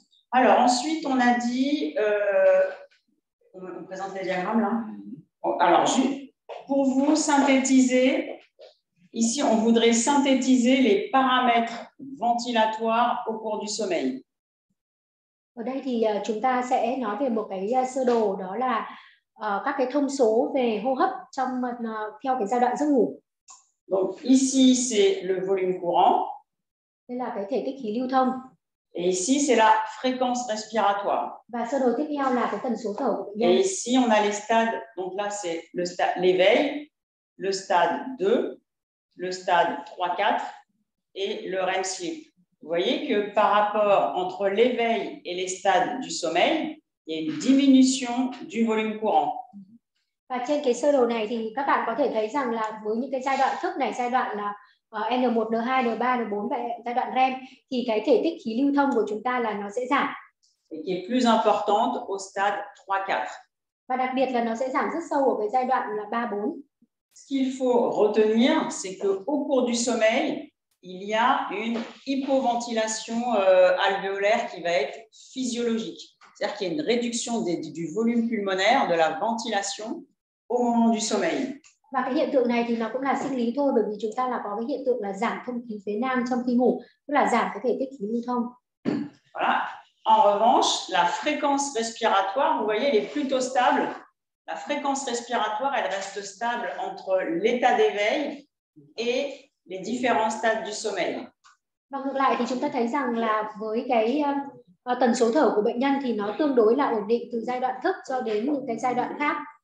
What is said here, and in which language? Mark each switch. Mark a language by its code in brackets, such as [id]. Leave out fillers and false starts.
[fr] Alors ensuite, on a dit, on présente les diagrammes là. Alors, pour vous synthétiser, ici, on voudrait synthétiser les paramètres ventilatoires au cours du sommeil. [vi] Ở đây thì chúng ta sẽ nói về một cái sơ đồ, đó là các cái thông số về hô hấp trong theo cái giai đoạn giấc ngủ. [fr] Donc ici, c'est le volume courant. [vi] Đây là cái thể tích khí lưu thông. [fr] Et ici, c'est la fréquence respiratoire. [vi] Và sơ đồ tiếp theo là cái tần số thở. [fr] Et ici, on a les stades. Donc là, c'est le stade, l'éveil, le stade 2, le stade 3-4 et le REM sleep. Vous voyez que par rapport entre l'éveil et les stades du sommeil, il y a une diminution du volume courant. [vi] Và trên cái sơ đồ này thì các bạn có thể thấy rằng là với những cái giai đoạn thức này, giai đoạn là N1, N2, N3, N4 và giai đoạn REM thì cái thể tích khí lưu thông của chúng ta là nó sẽ giảm. [fr] Et qui est plus importante au stade 3-4. [vi] Và đặc biệt là nó sẽ giảm rất sâu ở cái giai đoạn là 3-4. [fr] Ce qu'il faut retenir, c'est que au cours du sommeil, il y a une hypoventilation alvéolaire qui va être physiologique. C'est-à-dire qu'il y a une réduction du volume pulmonaire, de la ventilation au moment du sommeil. [vi] Và cái hiện tượng này thì nó cũng là sinh lý thôi, bởi vì chúng ta là có cái hiện tượng là giảm thông khí phế nang trong khi ngủ, tức là giảm cái thể tích khí lưu thông. [fr] Voilà. En revanche, la fréquence respiratoire, vous voyez, elle est plutôt stable. La fréquence respiratoire, elle reste stable entre l'état d'éveil et les différents stades du sommeil. [vi] Và ngược lại thì chúng ta thấy rằng là với cái tần số thở của bệnh nhân thì nó tương đối là ổn định từ giai đoạn thức cho đến những cái giai đoạn khác.